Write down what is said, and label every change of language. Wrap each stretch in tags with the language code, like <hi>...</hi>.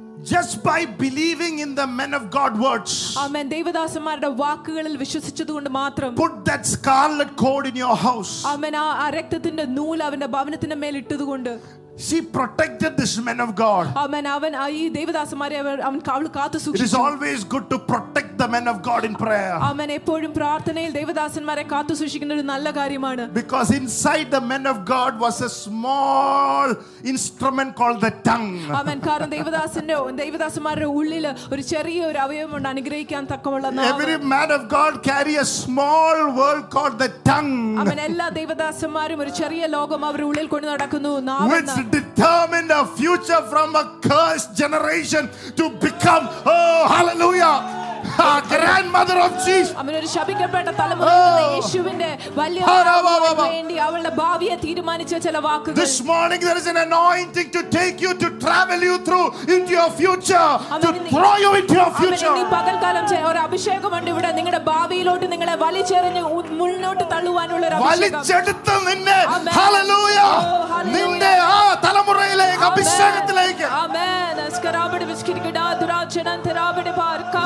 <en>Just by believing in the men of God words. Amen.</en> <ml>ദൈവദാസന്മാരുടെ വാക്കുകളിൽ വിശ്വസിച്ചതുകൊണ്ട് മാത്രം.</ml> <en>Put that scarlet cord in your house. Amen.</en> <ml>ആ രക്തത്തിന്റെ നൂൽ അവന്റെ ഭവനത്തിന്റെ മേൽ ഇട്ടതുകൊണ്ട്.</ml> <en>She protected this man of God. Amen.</en> <ml>അവൻ ഈ ദൈവദാസന്മാരെ അവൻ കാവൽ കാത്തു സൂക്ഷിച്ചു.</ml> <en>It is always good to protect the men of God in prayer. Amen.</en> <ml>എപ്പോഴും പ്രാർത്ഥനയിൽ ദൈവദാസന്മാരെ കാത്തു സൂക്ഷിക്കുന്നത് ഒരു നല്ല കാര്യമാണ്.</ml> <en>Because inside the men of God was a small instrument called the tongue. Amen.</en> <ml>കാരണം ദൈവദാസന്മാരുടെ ഉള്ളിൽ ഒരു ചെറിയ ഒരു അവയവം ഉണ്ട് അനുഗ്രഹിക്കാൻ തക്കമുള്ള നാവ്.</ml> <en>Every man of God carry a small world called the tongue. Amen.</en> <ml>എല്ലാ ദൈവദാസന്മാരും ഒരു ചെറിയ ലോകം അവരുടെ ഉള്ളിൽ കൊണ്ട് നടക്കുന്നു നാവ്.</ml> <en>Determine the future from a cursed generation to become, oh hallelujah, grandmother of Jesus.</en> <ml>അവനൊരു ശപിക്കപ്പെട്ട തലമുറയിൽ യേശുവിന്റെ വലിയ വേണ്ടി അവളുടെ ഭാവിയെ തീരുമാനിച്ച ചില വാക്കുകൾ.</ml> <en>This morning there is an anointing to take you, to travel you through into your future, to throw you into your future.</en> <ml>അവനെ പകൽകാലം ഒരു അഭിഷേകം ഉണ്ട് ഇവിടെ നിങ്ങളുടെ ഭാവിയിലോട്ട് നിങ്ങളെ വലിച്ചെറിഞ്ഞ് മുന്നോട്ട് തള്ളുവാനുള്ള ഒരു അഭിഷേകം. വലിച്ചെടുത്ത് നിന്നെ ഹല്ലേലൂയാ നിന്റെ ആ തലമുറയിലേക്ക് അഭിഷേകത്തിലേക്ക്. ആമേൻ. നസ്കരാബടി വിസ്കിരിഗടാ ദുരാചനന്ത രാബടി ബാർകാ</ml>